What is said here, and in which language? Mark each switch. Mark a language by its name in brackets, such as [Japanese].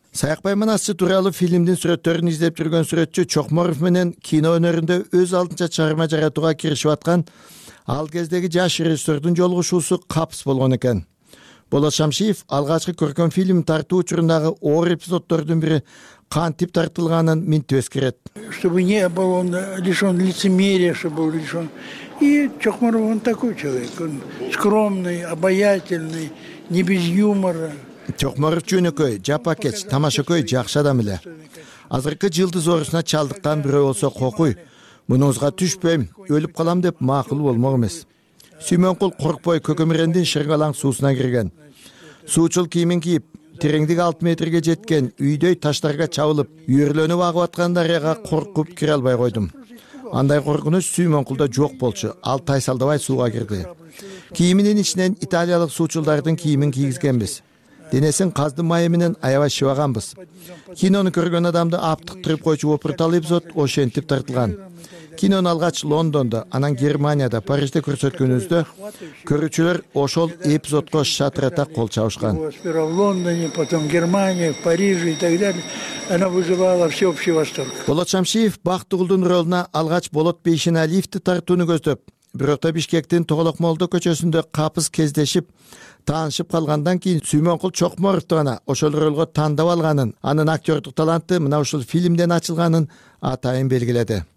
[Kyrgyz] Саякбай Манасчы тууралуу фильмдин сүрөттөрүн издеп жүргөн сүрөтчү Чокморов менен кино өнөрүндө өз алдынча чыгарма жаратууга киришип аткан ал кездеги жаш режиссердун жолугушуусу капс болгон экен. Болот Шамшиев алгачкы көркөм фильм тартуу учурундагы оор эпизоддордун бири кантип тартылганын мынтип эскерет. [Russian] Чтобы не был он лишён лицемерия, чтобы был лишён. И Чокморов он такой человек, он скромный, обаятельный, не без юмора. [Kyrgyz] Чокморов жөнөкөй, жапакеч, тамашакөй жакшы адам эле. Азыркы жылдыз оорусуна чалдыккан бирөө болсо кокуй. Мунуңузга түшпөйм, өлүп калам деп макул болмок эмес. Сүймөнкул коркпой көкөмирендин шыргалаң суусуна кирген. Суучул кийимин кийип, тереңдиги 6 метрге жеткен үйдөй таштарга чабылып, үйүрлөнүп агып аткан дарыяга коркуп кире албай койдум. Андай коркунуч Сүймөнкулда жок болчу. Ал тайсалдабай сууга кирди. Кийиминин ичинен италиялык суучулдардын кийимин кийгизгенбиз. Денесин каздын майы менен аябай шыбаганбыз. Кинону көргөн адамды аптыктырып койчу опырталы эпизод ошентип тартылган. Кинону алгач Лондондо, анан Германияда, Парижде көрсөткөнүбүздө көрүүчүлөр ошол эпизодко шатырата кол чабышкан. [Russian] В Лондоне, потом Германия, Париж и так далее. Она вызывала всеобщий восторг. [Kyrgyz] Болот Шамшиев Бактыгүлдүн ролуна алгач Болот Бейшиналиевди тартууну көздөп, бирок да Бишкектин Тоголок Молдо көчөсүндө капыз кездешип, таанышып калгандан кийин Сүймөнкул Чокморовду гана ошол ролго тандап алганын, анын актёрдук таланты мына ушул фильмден ачылганын атайын белгиледи.